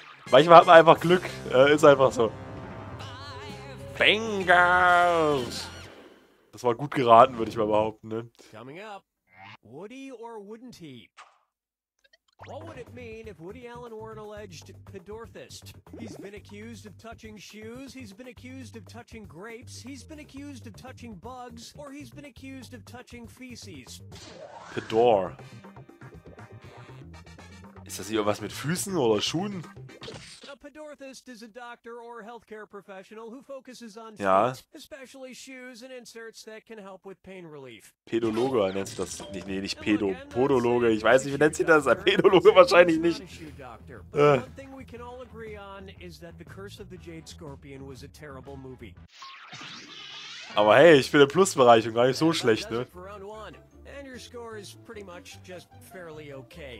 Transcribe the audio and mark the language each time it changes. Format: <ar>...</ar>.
<de>Manchmal hat man einfach Glück. Ist einfach so. Bangers! Das war gut geraten, würde ich mal behaupten, ne?</de> <en>Coming up, Woody or wouldn't he? What would it mean if Woody Allen were an alleged pedorthist? He's been accused of touching shoes, he's been accused of touching grapes, he's been accused of touching bugs, or he's been accused of touching feces. Pedor.</en> <de>Ist das irgendwas mit Füßen oder Schuhen?</de> <en>A pedorthist is a doctor or healthcare professional who focuses on feet, ja, especially shoes and inserts that can help with pain relief.</en> <de>Pedologe nennt sich das. Nee, nicht Pedo. Podologe. Ich weiß nicht, wie nennt sich das. Pedologe wahrscheinlich nicht.</de> <en>One thing we can all agree on is that The Curse of the Jade Scorpion was a terrible movie.</en> <de>Aber hey, ich bin im Plusbereich und gar nicht so schlecht, ne?</de> <en>And your score is pretty much just fairly okay.</en>